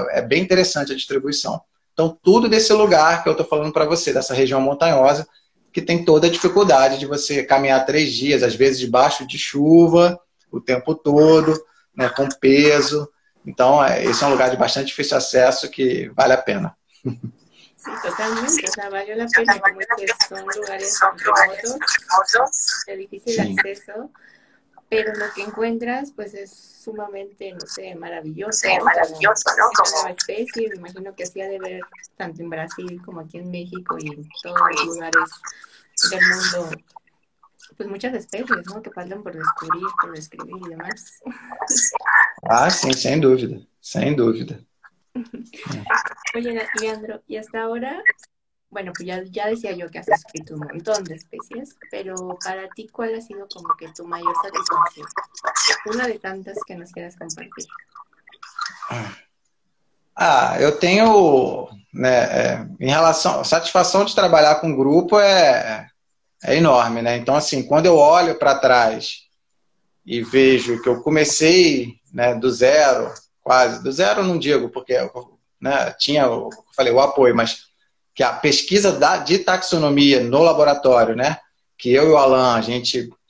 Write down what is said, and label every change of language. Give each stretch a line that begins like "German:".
Portuguese: É bem interessante a distribuição. Então, tudo desse lugar que eu estou falando para você, dessa região montanhosa, que tem toda a dificuldade de você caminhar 3 dias, às vezes debaixo de chuva, o tempo todo, né? Com peso. Então, esse é um lugar de bastante difícil acesso que vale a pena.
Spanish: Sí, totalmente, o sea, valió la pena, como dices, son lugares remotos, de difícil acceso, pero lo que encuentras, pues es sumamente, no sé, maravilloso. Sí, maravilloso, ¿no? Es una nueva especie, me imagino que así ha de ver tanto en Brasil como aquí en México y en todos los lugares del mundo, pues muchas especies, ¿no? Que faltan por descubrir, por describir y demás. Ah, sí, sin duda, sin duda. Oye, Leandro, y hasta ahora, bueno, pues ya decía yo que has escrito un montón de especies, pero para ti, ¿cuál ha sido como que tu mayor satisfacción? Una de tantas que nos quieras compartir.
Portuguese: Ah, eu tenho, né, em relação, a satisfação de trabalhar com grupo é enorme, né? Então, assim, quando eu olho para trás e vejo que eu comecei, né, do zero, quase, do zero não digo, porque, né, tinha, eu falei, o apoio, mas que a pesquisa de taxonomia no laboratório, né, que eu e o Alan, a gente